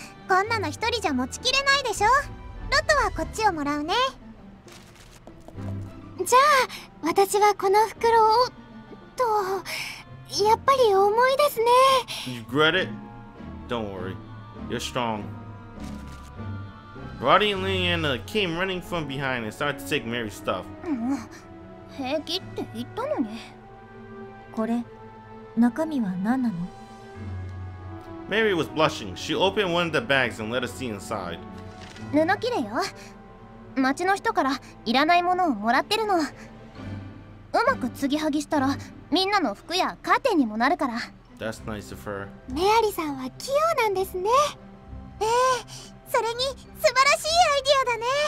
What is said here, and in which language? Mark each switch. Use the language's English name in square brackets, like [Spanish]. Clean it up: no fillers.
[Japanese] こんなの一人じゃ持ちきれないでしょ。ロトはこっちをもらうね。じゃあ、私はこの袋を…と…やっぱり重いですね。 [English] You regret it? Don't worry. You're strong. Roddy and Liliana came running from behind and started to take Mary's stuff. [Japanese] もう、平気って言ったのに。これ、中身は何なの？ [English] Mary was blushing. She opened one of the bags and let us see inside. [Japanese] 布切れよ。町の人からいらないものをもらってるの。うまく継ぎはぎしたら、みんなの服やカーテンにもなるから。 [English] That's nice of her. [Japanese] メアリさんは器用なんですね。ええ、それに素晴らしいアイディアだね。